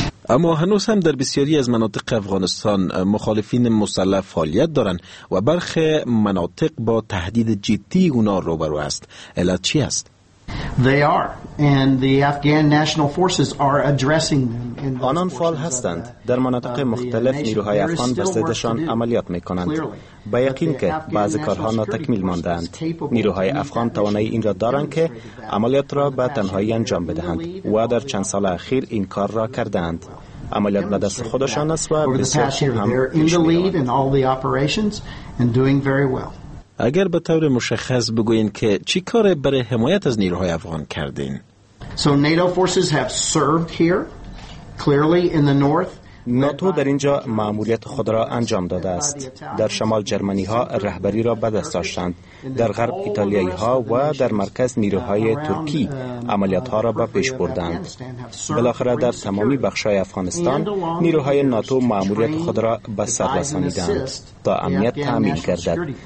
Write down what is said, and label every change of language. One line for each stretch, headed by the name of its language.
Persian: اما هنوز هم در بسیاری از مناطق افغانستان مخالفین مسلح فعالیت دارند و برخی مناطق با تهدید جدی اونا روبرو است. علت چی است؟
English: They are, and the Afghan national forces are addressing them.
Persian: آنان فعال هستند. در مناطق مختلف نیروهای افغان بر ضدشان عملیات میکنند. با یقین که بعضی کارها ناتکمیل ماندند. نیروهای افغان توانایی این را دارند که عملیات را به تنهایی انجام بدهند و در چند سال اخیر این کار را کردند. عملیات به دست خودشان است و بسیار هم پیشنیاد. اگر به طور مشخص بگوین که چی کار برای حمایت از نیروهای افغان کردین؟
English: So NATO forces have served here clearly in the north.
Persian: ناتو در اینجا ماموریت خود را انجام داده است. در شمال جرمنی ها رهبری را به دست داشتند. در غرب ایتالیایی ها و در مرکز نیروهای ترکی عملیات ها را به پیش بردند. بالاخره در تمامی بخش های افغانستان نیروهای ناتو ماموریت خود را به سر رسانیدند تا امنیت تامین گردد.